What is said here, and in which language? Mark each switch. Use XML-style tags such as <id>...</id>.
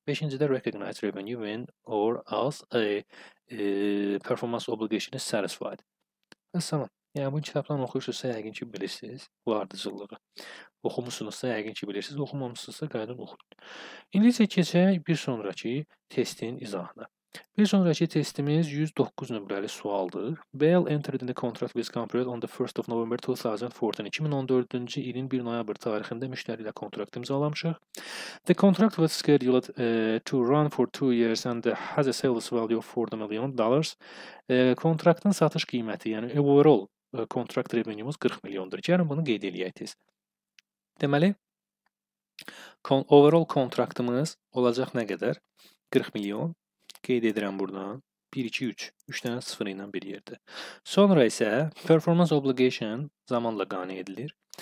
<az>Beşinci,</az> <en>de recognize revenue when or as a performance obligation is satisfied.</en> <az>Əsələn. Yəni, bu kitabdan oxuyursunuzsa, yəqin ki, bilirsiniz bu ardıcılığı. Oxumusunuzsa, yəqin ki, bilirsiniz. Oxumamışsınızsa, qaydın oxuyun. İndi isə keçək bir sonraki testin izahına. Bir sonraki testimiz 109 nömrəli sualdır.</az> <en>Bell entered in the contract with Compared on the 1st of November 2014.</en> <az>2014-cü ilin 1 noyabr tarixində müştəri ilə kontrakt imzalamışıq.</az> <en>The contract was scheduled to run for 2 years and has a sales value of $40 million.</en> <az>Kontraktın satış qiyməti, yəni overall contract revenue-umuz 40 milyondur. Gəlin bunu qeyd eləyəyiz. Deməli, overall kontraktımız olacaq nə qədər? 40 milyon. Qeyd edirəm buradan. 1, 2, 3. 3 dənə 0 ilə bir yerdir. Sonra isə performance obligation zamanla qane edilir.</az>